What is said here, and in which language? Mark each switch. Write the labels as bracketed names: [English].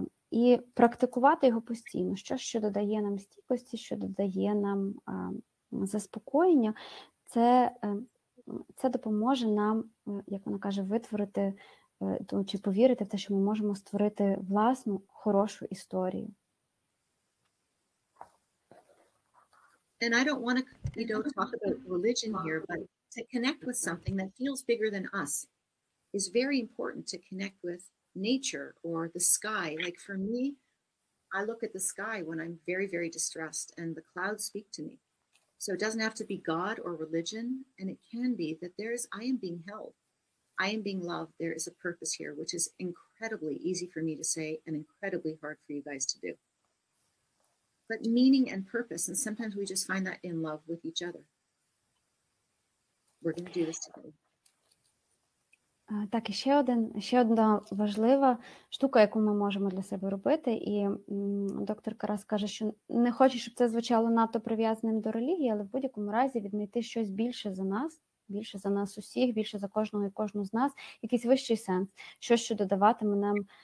[Ukrainian] І практикувати його постійно, що додає нам стійкості, що додає нам заспокоєння, це допоможе нам, як вона каже, витворити чи повірити в те, що ми можемо створити власну хорошу історію. [English] And I don't want to, you know, talk about religion here, but to connect with something that feels bigger than us is very important, to connect with nature or the sky. Like for me, I look at the sky when I'm very, very distressed and the clouds speak to me. So it doesn't have to be God or religion, and it can be that I am being held. I am being loved. There is a purpose here, which is incredibly easy for me to say and incredibly hard for you guys to do. But meaning and purpose, and sometimes we just find that in love with each other. We're going to do this today. [Ukrainian] Так, і ще одна важлива штука, яку ми можемо для себе робити. І доктор Карас каже, що не хоче, щоб це звучало надто прив'язаним до релігії, але в будь-якому разі віднайти щось більше за нас усіх, більше за кожного і кожну з нас, якийсь вищий сенс, щось, що додаватиме нам